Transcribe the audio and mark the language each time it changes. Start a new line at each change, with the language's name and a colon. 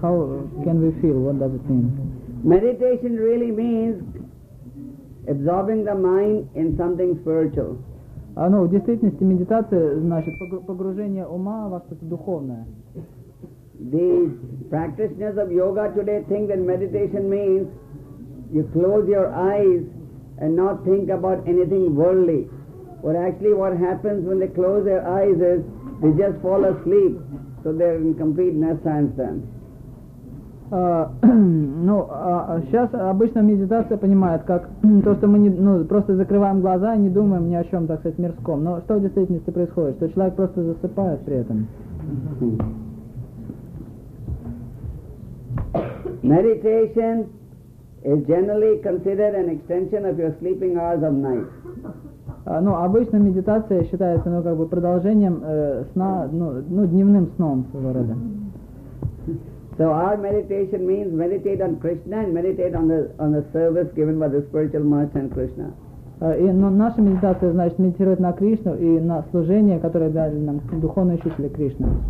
English: How can we feel, what does it mean? Meditation really means absorbing the mind in something spiritual.
Russian: Ну, в действительности медитация значит погружение ума во что-то духовное.
English: The practitioners of yoga today think that meditation means you close your eyes and not think about anything worldly. But actually what happens when they close their eyes is they just fall asleep, so they're in complete nirvana then.
Russian: Сейчас обычно медитация понимает как то, что мы просто закрываем глаза и не думаем ни о чем, так сказать, мирском. Но что в действительности происходит? Что человек просто засыпает при этом.
English: Meditation is generally considered an extension of your sleeping hours of night.
Russian: Обычно медитация считается, как бы продолжением сна, дневным сном своего рода.
English: So our meditation means meditate on Krishna and meditate on the service given by the spiritual master and Krishna.
Russian: Наша медитация значит медитировать на Кришну и на служение, которое дали нам духовные учителя Кришны.